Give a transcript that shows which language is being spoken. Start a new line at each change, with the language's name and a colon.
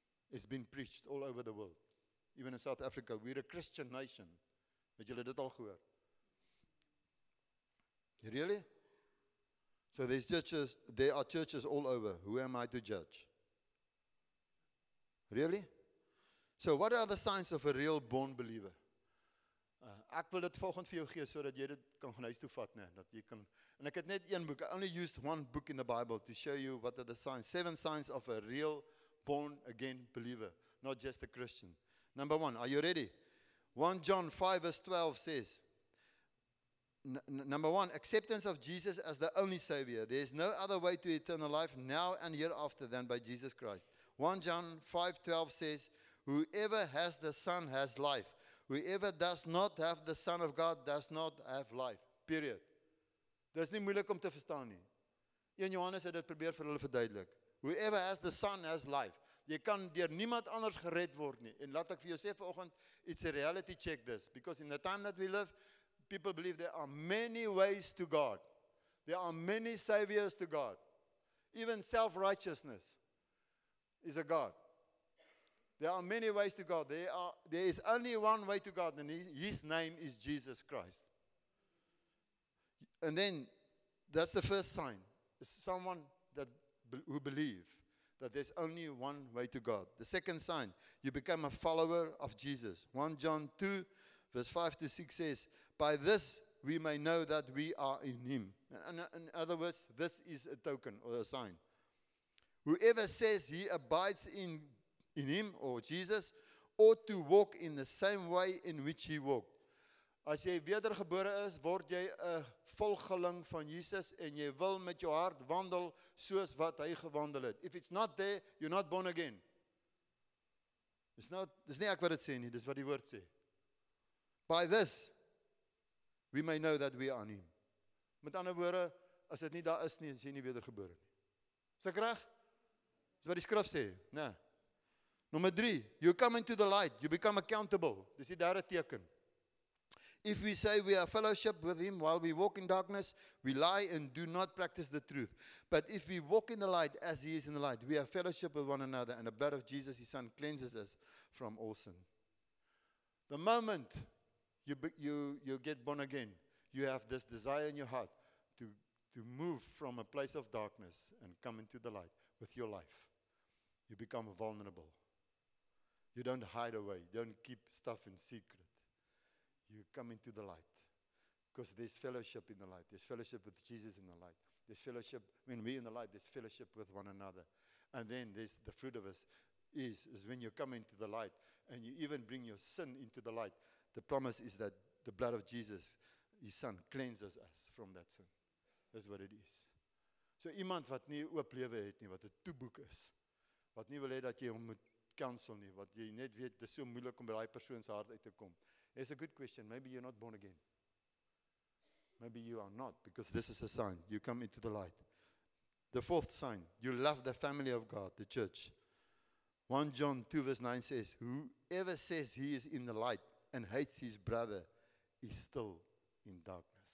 English: It's been preached all over the world. Even in South Africa, we're a Christian nation.
Afrikaans: Het julle dit al gehoor?
English: Really? So there's churches, there are churches all over. Who am I to judge? Really? So what are the signs of a real born believer?
Afrikaans: Ek wil dit volgend vir jou gee so dat jy dit kan gaan huis toe vat, nee, dat jy kan.
English: And
Afrikaans: ek het net een boek.
English: I only used one book in the Bible to show you what are the signs. 7 signs of a real born again believer, not just a Christian. Number 1, are you ready? 1 John 5 verse 12 says, Number 1, acceptance of Jesus as the only Savior. There is no other way to eternal life now and hereafter than by Jesus Christ. 1 John 5:12 says, whoever has the Son has life. Whoever does not have the Son of God does not have life. Period.
Afrikaans: Dit is nie moeilik om te verstaan nie. 1 Johannes het dit probeer vir hulle verduidelik.
English: Whoever has the Son has life.
Afrikaans: Jy kan deur niemand anders gered word nie. En laat ek vir jou sê vanoggend,
English: it's a reality check this. Because in the time that we live, people believe there are many ways to God. There are many saviors to God. Even self-righteousness is a God. There are many ways to God. There is only one way to God, and his name is Jesus Christ. And then, that's the first sign. It's someone that who believe that there's only one way to God. The second sign, you become a follower of Jesus. 1 John 2, verse 5 to 6 says, by this we may know that we are in him. In other words, this is a token or a sign. Whoever says he abides in him or Jesus ought to walk in the same way in which he walked.
Afrikaans: As jy wedergebore is, word jy 'n volgeling van Jesus en jy wil met jou hart wandel soos wat hy gewandel het.
English: If it's not there, you're not born again.
Afrikaans: Dis nie ek wat dit sê nie, dis wat die woord sê.
English: By this we may know that we are him.
Afrikaans: Met ander woorde, as dit nie daar is nie, as jy nie wedergebore nie. Is ek reg? Dis wat die skrif sê, né?
English: Nommer 3, you come into the light, you become accountable.
Afrikaans: Dis die derde teken.
English: If we say we are fellowship with him while we walk in darkness, we lie and do not practice the truth. But if we walk in the light as he is in the light, we have fellowship with one another, and the blood of Jesus, his son, cleanses us from all sin. The moment you get born again, you have this desire in your heart to move from a place of darkness and come into the light with your life. You become vulnerable. You don't hide away. You don't keep stuff in secret. You come into the light. Because there's fellowship in the light. There's fellowship with Jesus in the light. There's fellowship when we're in the light. There's fellowship with one another. And then there's the fruit of us is when you come into the light and you even bring your sin into the light. The promise is that the blood of Jesus, his son, cleanses us from that sin. That's what it is.
Afrikaans: So iemand wat nie oop lewe het nie, wat 'n toeboek is, wat nie wil hê dat jy hom moet counsel nie, wat jy net weet, dis so moeilik om by daai persoon se hart uit te kom.
English: It's a good question. Maybe you're not born again. Maybe you are not, because this is a sign. You come into the light. The fourth sign, you love the family of God, the church. 1 John 2 verse 9 says, whoever says he is in the light and hates his brother is still in darkness.